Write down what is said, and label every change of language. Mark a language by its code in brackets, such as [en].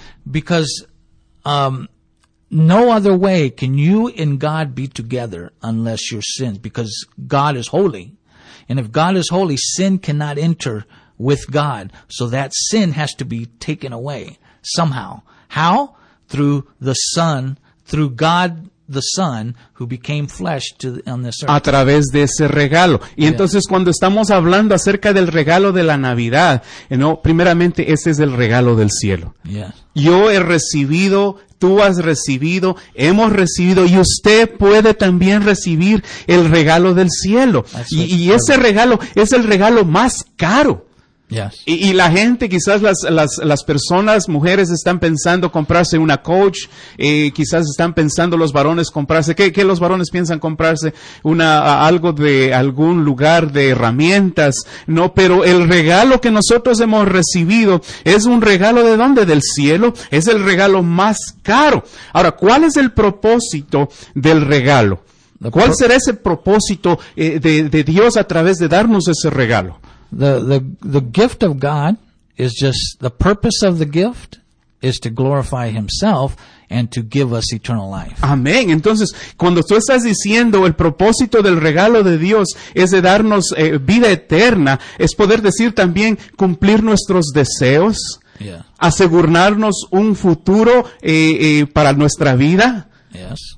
[en] Because no other way can you and God be together unless you're sinned, because God is holy. And if God is holy, sin cannot enter with God. So that sin has to be taken away somehow. How? Through the Son, through God the Son, who became flesh on this earth. [es] A través de ese regalo. Y [en] yeah. [es] Entonces, cuando estamos hablando acerca del regalo de la Navidad, ¿no? Primeramente, ese es el regalo del cielo. [en] Yeah. [es] Yo he recibido, tú has recibido, hemos recibido, y usted puede también recibir el regalo del cielo. [en] That's [es] y ese regalo es el regalo más caro. [en] Yes. [es] Y la gente, quizás las personas, mujeres, están pensando comprarse una coach. Quizás están pensando los varones comprarse. ¿Qué los varones piensan comprarse? Algo de algún lugar de herramientas. No, pero el regalo que nosotros hemos recibido es un regalo ¿de dónde? Del cielo. Es el regalo más caro. Ahora, ¿cuál es el propósito del regalo? ¿Cuál será ese propósito de Dios a través de darnos ese regalo? [en] The gift of God is just, the purpose of the gift is to glorify himself and to give us eternal life. [es] Amén. Entonces, cuando tú estás diciendo el propósito del regalo de Dios es de darnos vida eterna, es poder decir también cumplir nuestros deseos, [en] yeah, [es] asegurarnos un futuro para nuestra vida. [en] Yes.